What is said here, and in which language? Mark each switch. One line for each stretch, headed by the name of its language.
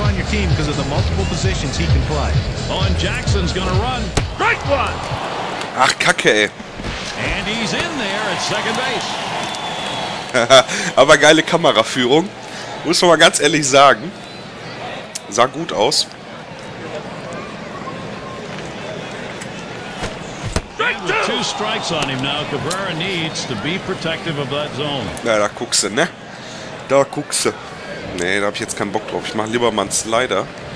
English: Team because of the multiple positions he can play. Oh, and Jackson's gonna run. Strike one!
German: Ach, kacke, ey.
English: And he's in there at second base.
German: Aber geile Kameraführung. Muss man mal ganz ehrlich sagen. Sah gut aus.
English: Strike two! Two strikes on him now. Cabrera needs to be protective of that zone.
German: Na, da guckst du, ne? Da guckst du. Nee, da hab ich jetzt keinen Bock drauf. Ich mach lieber mal einen Slider.